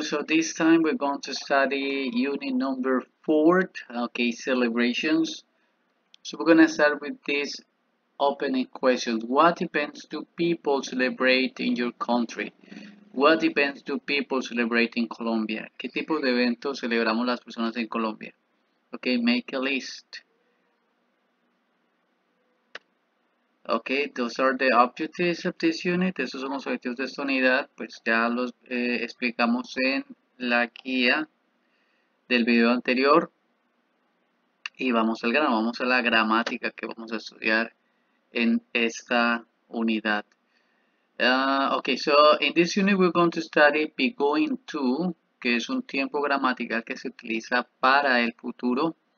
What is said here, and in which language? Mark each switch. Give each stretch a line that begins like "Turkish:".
English: So this time we're going to study unit number 4, okay, celebrations. So we're going to start with this opening question. What events do people celebrate in your country? What events do people celebrate in Colombia?
Spanish: ¿Qué tipo de eventos celebramos las personas en Colombia?
English: Okay, make a list. Okay, those are the objectives of this unit.
Spanish: Esos son los objetivos de esta unidad. Pues ya los explicamos en la guía del video anterior. Y vamos al grano, vamos a la gramática que vamos a estudiar en esta unidad.
English: Okay, so in this unit we're going to study be going to,
Spanish: que es un tiempo gramatical que se utiliza para el futuro.